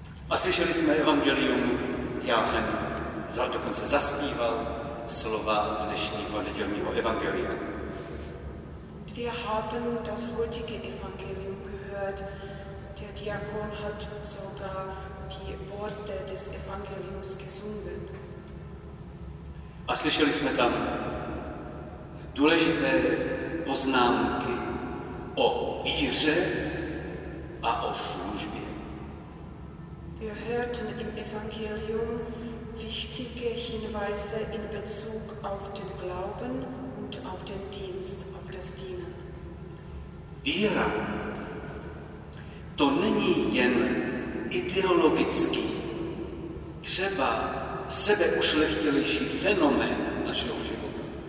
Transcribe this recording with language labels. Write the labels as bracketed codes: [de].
[cs] A slyšeli jsme evangelium, Jáhen dokonce zaspíval slova dnešního nedělního evangelia. [de] Wir haben das heutige Evangelium gehört. Der Diakon hat sogar die Worte des Evangeliums gesungen. [cs] A slyšeli jsme tam důležité poznámky o víře a o službě. [de] Wir hörten im Evangelium wichtige Hinweise in Bezug auf den Glauben und auf den Dienst, auf das Dienen. [cs] Víra, to není jen ideologický, třeba sebeušlechtilejší fenomén našeho života.